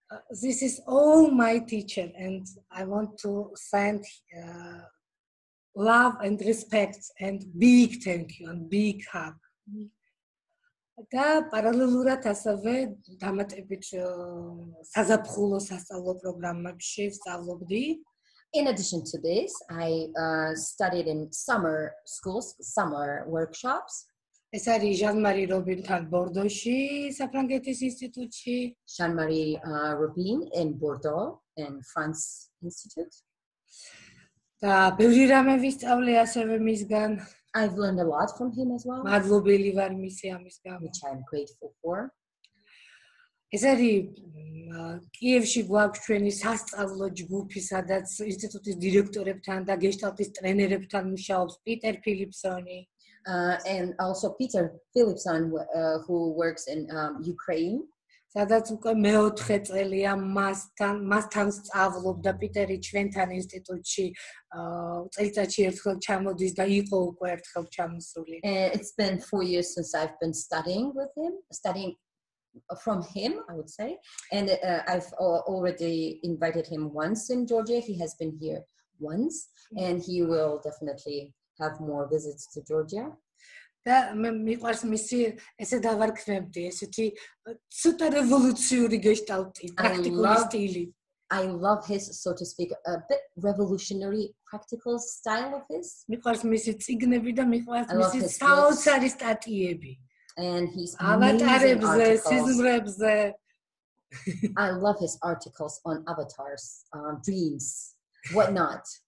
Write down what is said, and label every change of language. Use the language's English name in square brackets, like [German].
[English] This is all my teacher and I want to send love and respect and big thank you and big hug. [Georgian] Да, параллелურად ასევე დამატებით საზაფხულო სასწავლო პროგრამებში სწავლობდი. [English] In addition to this, I studied in summer schools, summer workshops. [Georgian] ეს არის ჟან-მარი რობინთან ბორდოში, საფრანგეთის ინსტიტუტში. [English] ჟან-მარი რობინ in Bordeaux in France Institute. [Georgian] და ბევრი რამე ვისწავლე ასევე მისგან. [English] I've learned a lot from him as well. [Georgian] მადლობელი ვარ მისი ამისგან, [English] which I'm grateful for. [Georgian] ეს არის კიევში გვაქვს ჩვენი სასწავლო ჯგუფი, სადაც ინსტიტუტის დირექტორებთან და გესტალტის ტრენერებთან მუშაობს პიტერ ფილიპსონი. [English] And also Peter Philipson, who works in Ukraine. [Georgian] სადაც უკვე მეოთხე წელია მასთან სწავლობ და პიტერი ჩვენთან ინსტიტუტში წელიწადში ერთხელ ჩამოდის და იყო უკვე ერთხელ ჩამოსული. [English] It's been 4 years since I've been studying with him, studying from him, I would say, and I've already invited him once in Georgia. He has been here once, and he will definitely have more visits to Georgia. [Georgian] და მე მიყვარს მისი ესე დავარქმევდი ესეთი ცოტა რევოლუციური გესტალტი პრაქტიკული სტილი. [English] I love his, so to speak, a bit revolutionary practical style of his. [Georgian] მიყვარს მისი წიგნები და მიყვარს მისი საოცარი სტატიები. [English] And he's [Georgian] avatarებზე, სიზმრებზე. [English] I love his articles on avatars, dreams, what not.